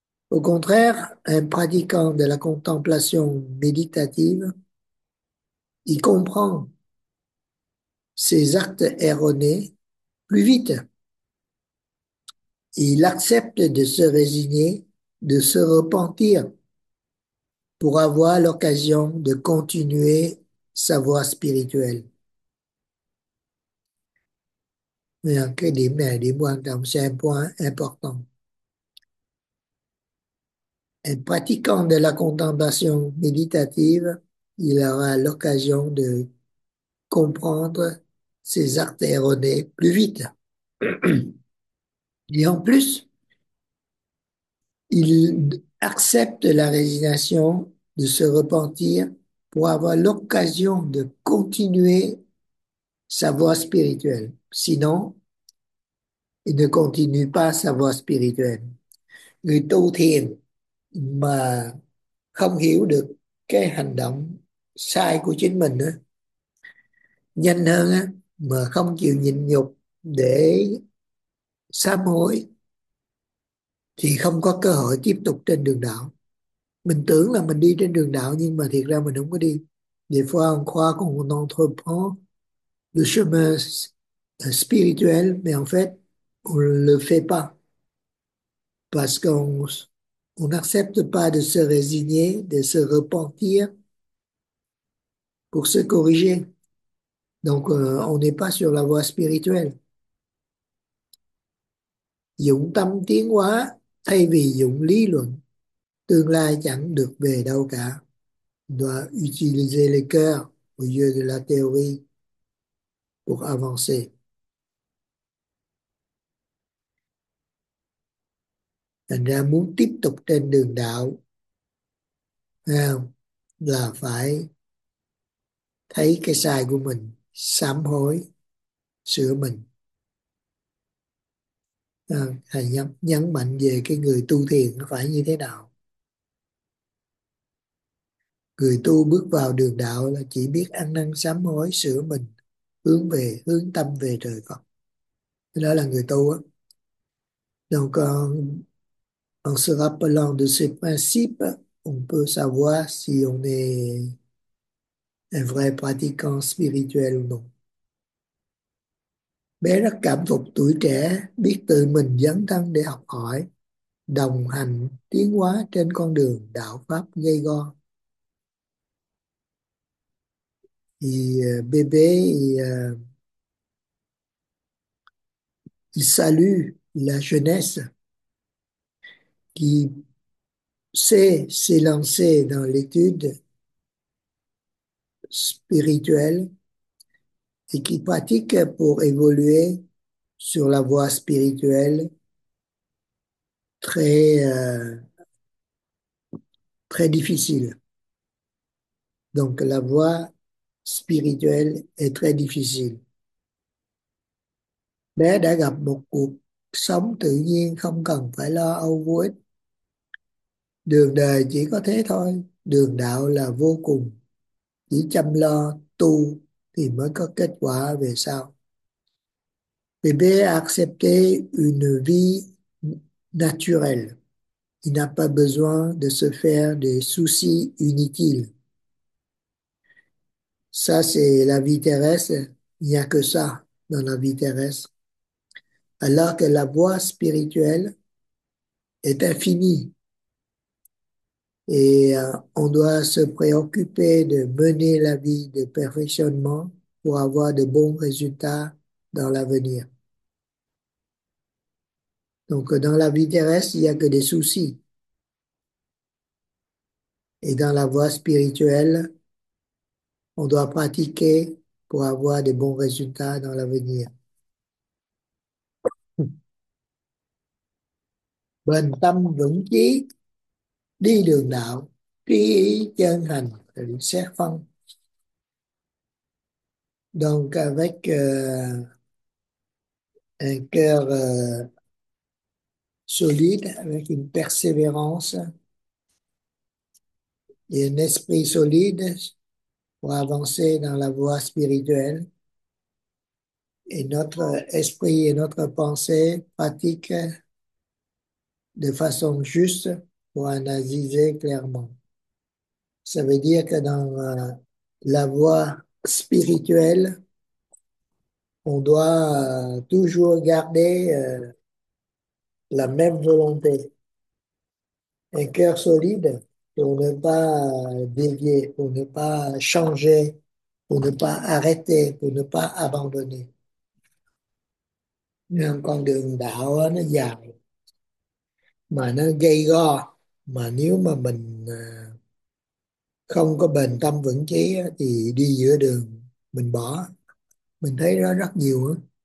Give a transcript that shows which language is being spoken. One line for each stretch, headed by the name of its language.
French: Au contraire, un pratiquant de la contemplation méditative, il comprend ses actes erronés plus vite. Il accepte de se résigner, de se repentir pour avoir l'occasion de continuer sa voie spirituelle.
Vietnamese: Cái điểm này là điểm quan trọng,
French: c'est un point important. Un pratiquant de la contemplation méditative, il aura l'occasion de comprendre ses actes erronés plus vite. Et en plus, il accepte la résignation de se repentir pour avoir l'occasion de continuer sa voie spirituelle. Sinon, il ne continue pas sa voie spirituelle.
Vietnamese: Người tu thiền mà không hiểu được cái hành động sai của chính mình nữa, nhanh hơn á, mà không chịu nhịn nhục để sám hối thì không có cơ hội tiếp tục trên đường đạo. Mình tưởng là mình đi trên đường đạo nhưng mà thiệt ra mình không có đi.
French: Des fois, on croit qu'on n'entre pas le chemin spirituel, mais en fait, on le fait pas. Parce qu'on n'accepte pas de se résigner, de se repentir pour se corriger. Donc, on n'est pas sur la voie spirituelle.
Vietnamese: Dụng tâm tiến hóa thay vì dụng lý luận, tương lai chẳng được về đâu cả.
French: Doit utiliser le cœur au lieu de la théorie pour avancer.
Vietnamese: Thành ra muốn tiếp tục trên đường đạo, là phải thấy cái sai của mình, sám hối, sửa mình. Thầy nhấn mạnh về cái người tu thiền nó phải như thế nào. Người tu bước vào đường đạo là chỉ biết ăn năn sám hối, sửa mình, hướng tâm về trời Phật. Đó là người tu á.
French: Donc, en se rappelant de ces principes, on peut savoir si on est un vrai pratiquant spirituel ou non.
Vietnamese: Bé rất cảm phục tuổi trẻ biết tự mình dấn thân để học hỏi, đồng hành tiến hóa trên con đường đạo pháp gay go. Thì bé bé
French: il salue la jeunesse qui sait s'élancer dans l'étude spirituelle et qui pratique pour évoluer sur la voie spirituelle très difficile. Donc la voie spirituelle est très difficile.
Vietnamese: Bé đã gặp một cuộc sống tự nhiên không cần phải lo âu vô ích. Đường đời chỉ có thế thôi, đường đạo là vô cùng. Chỉ chăm lo tu thì mới có kết quả về sau.
French: Bébé a accepté une vie naturelle. Il n'a pas besoin de se faire des soucis inutiles. Ça, c'est la vie terrestre. Il n'y a que ça dans la vie terrestre. Alors que la voie spirituelle est infinie. Et on doit se préoccuper de mener la vie de perfectionnement pour avoir de bons résultats dans l'avenir. Donc, dans la vie terrestre, il n'y a que des soucis. Et dans la voie spirituelle, on doit pratiquer pour avoir de bons résultats dans l'avenir.
Vietnamese: Vững chí, đi đường đạo, trí ý chân hành, tự xét phân.
French: Donc avec un cœur solide, avec une persévérance et un esprit solide pour avancer dans la voie spirituelle. Et notre esprit et notre pensée pratiquent de façon juste pour analyser clairement. Ça veut dire que dans la voie spirituelle, on doit toujours garder la même volonté, un cœur solide pour ne pas dévier, pour ne pas changer, pour ne pas arrêter, pour ne pas abandonner.
Vietnamese: Mais con đường đạo nó dài mà nó gay go, mà nếu mà mình không có bền tâm vững chí thì đi giữa đường mình bỏ, mình thấy nó rất nhiều.